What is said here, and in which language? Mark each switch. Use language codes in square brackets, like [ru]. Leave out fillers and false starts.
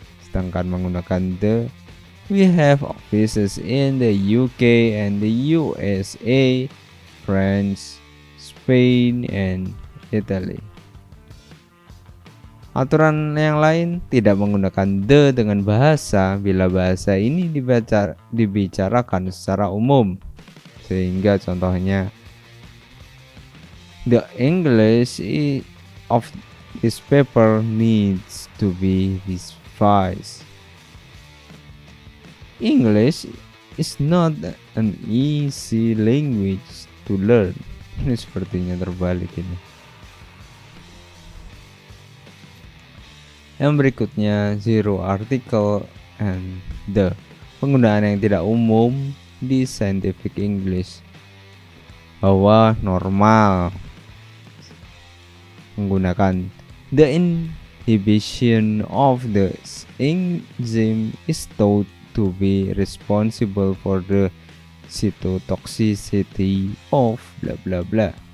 [id] Sedangkan menggunakan the, [en] we have offices in the UK and the USA, France, Spain, and Italy. [id] Aturan yang lain, tidak menggunakan the dengan bahasa bila bahasa ini dibicarakan secara umum. Sehingga contohnya, [en] the English of this paper needs to be revised. English is not an easy language to learn. [id] Ini sepertinya terbalik ini. Yang berikutnya, [en] zero article and the. [id] Penggunaan yang tidak umum di scientific English. Bahwa normal menggunakan [en] the inhibition of the enzyme is thought to be responsible for the cytotoxicity of bla bla bla.